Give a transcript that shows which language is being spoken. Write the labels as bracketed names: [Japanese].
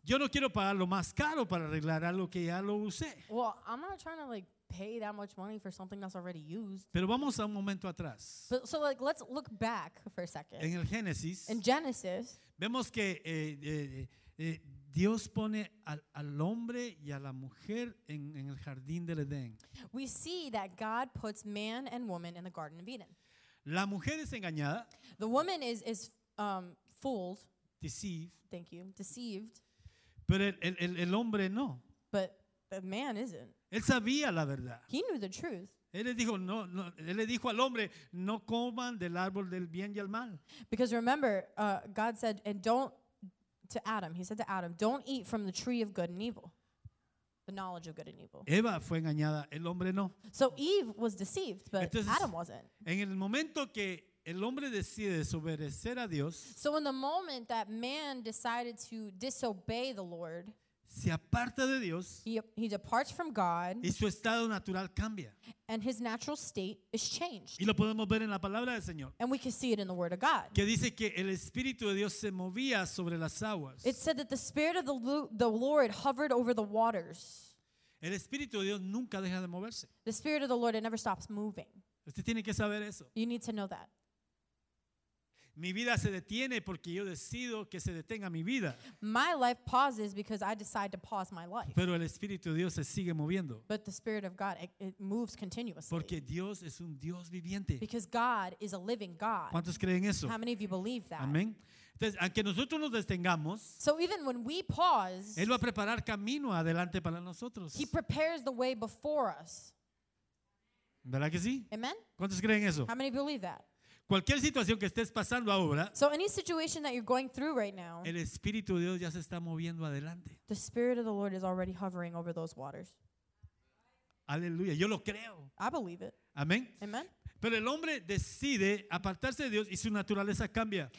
[Spanish] Yo no quiero pagar lo más caro para arreglar algo que ya lo usé. [English] Well, I'm not trying to like pay that much money for something that's already used. [Spanish] Pero vamos a un momento atrás. [English] So like let's look back for a second. [Spanish] En el Génesis. [English] In Genesis. [Spanish] Vemos que Dios pone al hombre y a la mujer en el jardín del Edén. [English] We see that God puts man and woman in the Garden of Eden. [Spanish] La mujer es engañada. [English] The woman is fooled. Deceived. Thank you. Deceived. [Spanish] Pero el hombre no. [English] But the man isn't. [Spanish] Él sabía la verdad. [English] He knew the truth. [Spanish] Él le dijo no, no, él le dijo al hombre, no coman del árbol del bien y el mal. [English] Because remember, God said, and don't. To Adam, he said to Adam, don't eat from the tree of good and evil, the knowledge of good and evil. [Spanish] Eva fue engañada, el hombre no. [English] So Eve was deceived, but [Spanish] entonces, [English] Adam wasn't. [Spanish] En el momento que el hombre decide desobedecer a Dios, [English] so in the moment that man decided to disobey the Lord, [Spanish] se aparta de Dios, [English] he departs from God, [Spanish] y su estado natural cambia. [English] And his natural state is changed. [Spanish] Y lo podemos ver en la palabra del Señor. [English] And we can see it in the word of God. [Spanish] Que dice que el Espíritu de Dios se movía sobre las aguas. [English] It said that the Spirit of the Lord hovered over the waters. [Spanish] El Espíritu de Dios nunca deja de moverse. [English] The Spirit of the Lord, it never stops moving. [Spanish] Usted tiene que saber eso. [English] You need to know that. [Spanish] Mi vida se detiene porque yo decido que se detenga mi vida. [English] My life pauses because I decide to pause my life. [Spanish] Pero el Espíritu de Dios se sigue moviendo. [English] But the Spirit of God, it moves continuously. [Spanish] Porque Dios es un Dios viviente. [English] Because God is a living God. [Spanish] ¿Cuántos creen eso? [English] How many of you believe that? [Spanish] Amén. Entonces, aunque nosotros nos detengamos, [English] so even when we pause, [Spanish] Él va a preparar camino adelante para nosotros. [English] He prepares the way before us. [Spanish] ¿Verdad que sí? [English] Amen. [Spanish] ¿Cuántos creen eso? [English] How many of you believe that? [Spanish] Cualquier situación que estés pasando ahora, [English] so any situation that you're going through right now, [Spanish] el Espíritu de Dios ya se está moviendo adelante. [English] The Spirit of the Lord is already hovering over those waters. [Spanish] Aleluya, yo lo creo. [English] I believe it. [Spanish] Amén. [English] Amen. [Spanish] Pero el hombre decide apartarse de Dios y su naturaleza cambia.